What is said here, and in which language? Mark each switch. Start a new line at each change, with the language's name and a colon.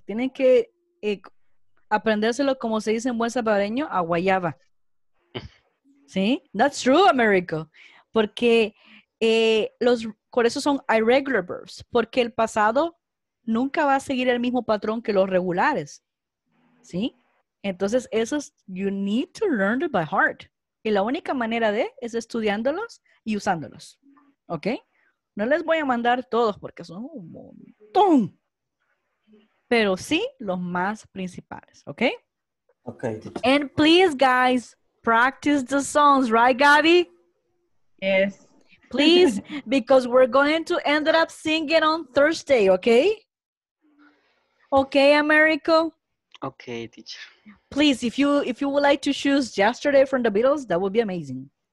Spanish: Tienen que aprendérselo, como se dice en buen salvadoreño, a guayaba. ¿Sí?
English: That's true, Americo.
Spanish: Porque los... Por eso son irregular verbs, porque el pasado nunca va a seguir el mismo patrón que los regulares, ¿sí? Entonces, esos,
English: you need to learn it by heart.
Spanish: Y la única manera de es estudiándolos y usándolos, ¿ok? No les voy a mandar todos porque son un montón, pero sí los más principales, ¿ok?
English: Ok. And please, guys, practice the songs, right, Gabby? Yes. Please, because we're going to end up singing on Thursday, okay? Okay, Americo? Okay, teacher. Please, if you would like to choose Yesterday from the Beatles, that would be amazing.